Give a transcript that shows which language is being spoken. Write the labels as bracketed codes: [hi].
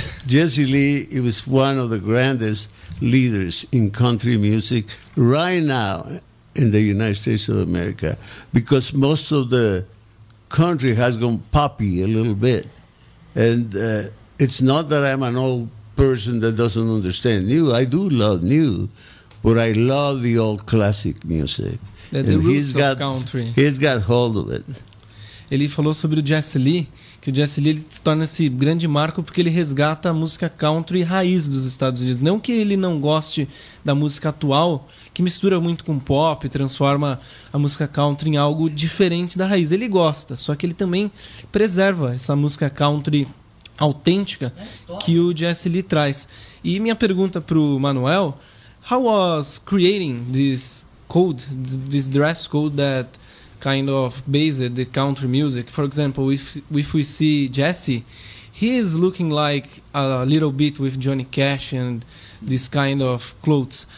[en] Jesse Lee, he was one of the grandest leaders in country music right now in the United States of America, because most of the country has gone poppy a little bit. And it's not that I'm an old person that doesn't understand new. I do love new, but I love the old classic music. He's got hold of it. [pt] Ele falou sobre o Jesse Lee, que o Jesse Lee se torna esse grande marco porque ele resgata a música country raiz dos Estados Unidos. Não que ele não goste da música atual, que mistura muito com pop, transforma a música country em algo diferente da raiz. Ele gosta, só que ele também preserva essa música country autêntica que o Jesse Lee traz. E minha pergunta para o Manuel, [en] how was creating this code, this dress code that kind of based the country music? For example, if we see Jesse, he is looking like a little bit with Johnny Cash and this kind of clothes.